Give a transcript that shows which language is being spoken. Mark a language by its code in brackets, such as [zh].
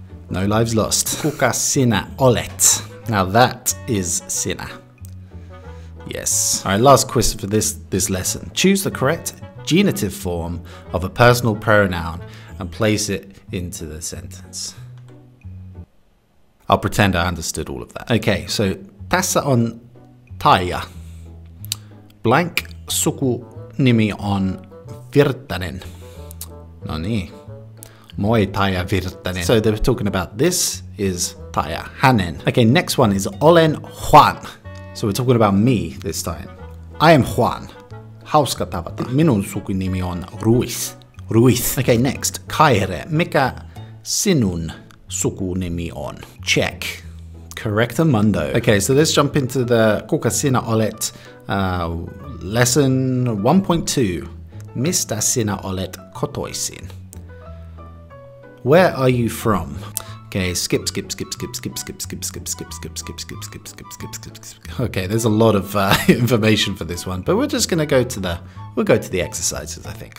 [en] No lives lost. [fi] Kuka sinä olet? [en] Now that is sinä. Yes. All right, last quiz for this lesson. Choose the correct genitive form of a personal pronoun and place it into the sentence. I'll pretend I understood all of that. Okay, so [fi] tässä on taija. Blank suku nimi on Virtanen. No niin. Moi taija Virtanen. [en] So they're talking about this is taija hänen. Okay, next one is [fi] olen Juan. [en] So we're talking about me this time. I am Juan. [fi] Hauska tavata. Minun sukunimi on Ruiz. Ruiz. [en] Okay, next. [fi] Kaire. Mikä sinun [en] sukunimi on. Check. Correctamundo. Okay, so let's jump into the [fi] kuka sinä olet [en] lesson 1.2. [fi] Mistä sinä olet kotoisin? [en] Where are you from? Okay, skip, skip, skip, skip, skip, skip, skip, skip, skip, skip, skip, skip, skip, skip, skip, skip, skip, skip. Okay, there's a lot of information for this one, but we're just gonna go to the exercises, I think.